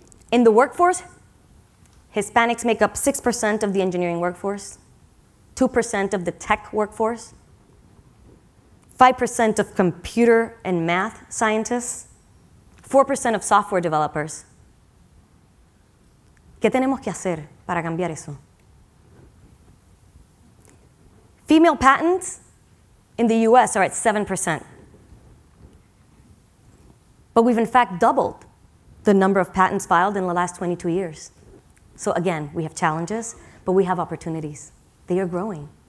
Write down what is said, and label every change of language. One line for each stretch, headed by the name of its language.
English: In the workforce, Hispanics make up 6% of the engineering workforce, 2% of the tech workforce, 5% of computer and math scientists, 4% of software developers.
Spanish: ¿Qué tenemos que hacer para cambiar eso?
English: Female patents in the US are at 7%. But we've in fact doubled the number of patents filed in the last 22 years. So again, we have challenges, but we have opportunities. They are growing.